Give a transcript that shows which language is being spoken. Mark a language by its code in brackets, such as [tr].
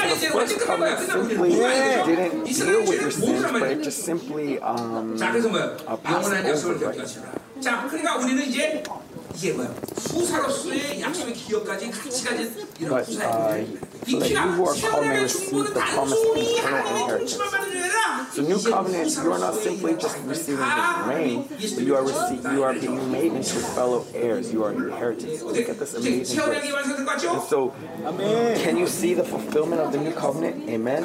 [en] didn't deal with your sins, but it just simply passed over, right? [ko] 그러니까 우리는 이제 이게 뭐야? 후사로서의 약속의 기억까지 같이 가진 이런 후사의 [en] So that you who are called may receive the promise of eternal inheritance. So new covenant, you are not simply just receiving the grain, but you are receiving, you are being made into fellow heirs. You are inheritance. Look at this amazing verse. And so, can you see the fulfillment of the new covenant? Amen.